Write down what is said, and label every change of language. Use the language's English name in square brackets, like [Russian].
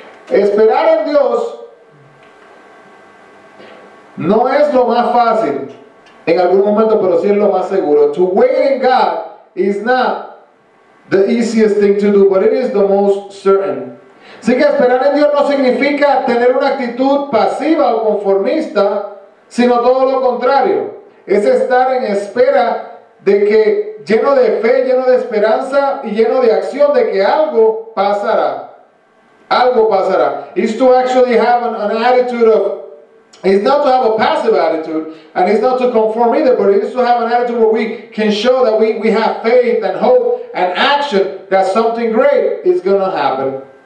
[Spanish] Esperar en Dios no es lo más fácil en algún momento, pero sí es lo más seguro. [English] To wait in God is not the easiest thing to do, but it is the most certain. [Spanish] Así que esperar en Dios no significa tener una actitud pasiva o conformista, sino todo lo contrario. Es estar en espera de que, lleno de fe, lleno de esperanza y lleno de acción, de que algo pasará. Algo pasará. [English] It's to actually have an attitude of, it's not to have a passive attitude, and it's not to conform either, but it is to have an attitude where we can show that we have faith and hope and action that something great is going to happen.